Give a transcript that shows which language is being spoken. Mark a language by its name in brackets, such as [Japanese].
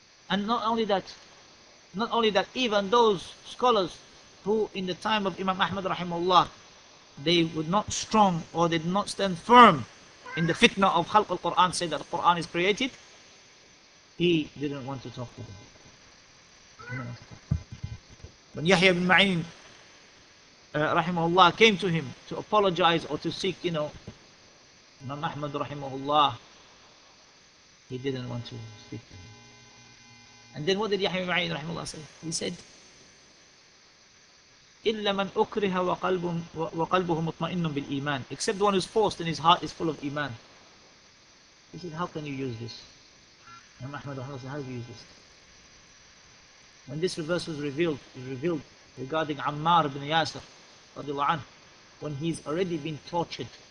[English] And not only that, even those scholars who in the time of Imam Ahmad rahimahullah, they were not strong or they did not stand firm in the fitna of Khalq al-Qur'an, say that the Qur'an is created, he didn't want to talk to them. When Yahya ibn Ma'in rahimahullah came to him to apologize or to seek, you know, Imam Ahmad rahimahullah, he didn't want to speak to him. And then what did Yahya ibn Ma'in rahimahullah say? He said, [Arabic] إِلَّا مَنْ أُكْرِهَ وَقَلْبُهُ مُطْمَئِنٌ بِالْإِيمَانِ. [English] Except the one who is forced and his heart is full of iman. He said, how can you use this? Imam Ahmad Rahman said, how do you use this? When this verse was revealed, it was revealed regarding Ammar ibn Yasir radiallahu anhu, when he's already been tortured.